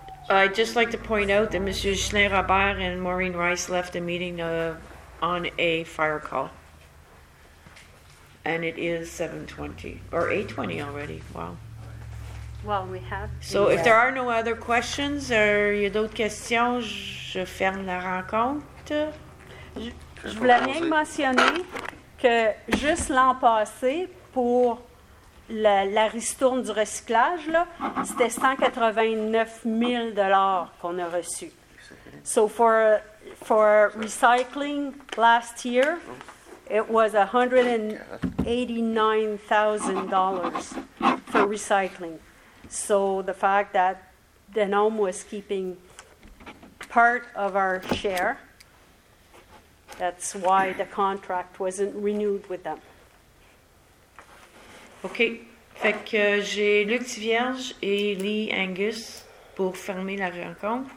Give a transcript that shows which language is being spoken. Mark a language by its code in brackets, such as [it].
[en] I'd just like to point out that Monsieur Schneider-Robert and Maureen Rice left the meeting on a fire call. And it is 7:20, or 8:20 already. Wow. Well, we have. So, if there are no other questions, are you [fr] d'autres questions? Je ferme la rencontre. Je voulais rien mentionner que juste l'an passé, pour la ristourne du recyclage, là, c'était 189 000 $ qu'on a reçu. [en] So, for recycling last year, it was $189,000 for recycling. So the fact that Denome was keeping part of our share, that's why the contract wasn't renewed with them. Okay. [fr] Fait que j'ai Luc Tivierge et Lee Angus pour fermer la rencontre.